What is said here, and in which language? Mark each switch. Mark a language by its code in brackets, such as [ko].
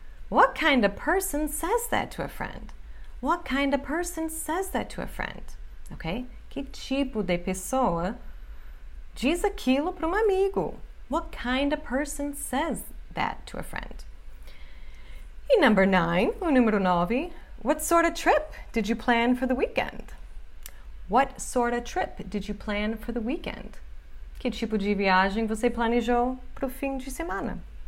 [en] What kind of person says that to a friend? What kind of person says that to a friend? Okay? [pt] Que tipo de pessoa diz aquilo para um amigo? [en] What kind of person says that to a friend? E number nine, [pt] o número nove. [en] What sort of trip did you plan for the weekend? What sort of trip did you plan for the weekend? [pt] Que tipo de viagem você planejou para o fim de semana?